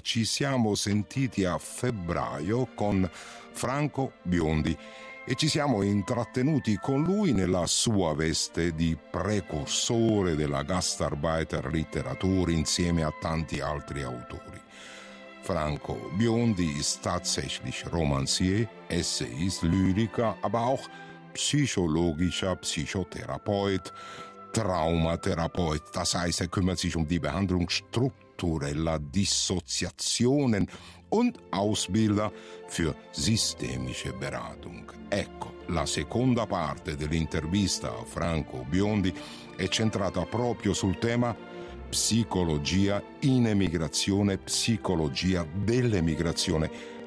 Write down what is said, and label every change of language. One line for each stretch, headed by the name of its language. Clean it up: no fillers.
Italian: Ci siamo sentiti a febbraio con Franco Biondi e ci siamo intrattenuti con lui nella sua veste di precursore della Gastarbeiter letteratura insieme a tanti altri autori.
German: Franco Biondi, staatsächlich romancier, essayist, lyrica, aber auch psychologischer Psychotherapeut, Traumatherapeut, das heißt, er kümmert sich um die Behandlung struktureller Dissoziationen und Ausbilder für systemische Beratung.
Italian: Ecco, la seconda parte dell'intervista a Franco Biondi è centrata proprio sul tema psicologia in emigrazione, psicologia dell'emigrazione.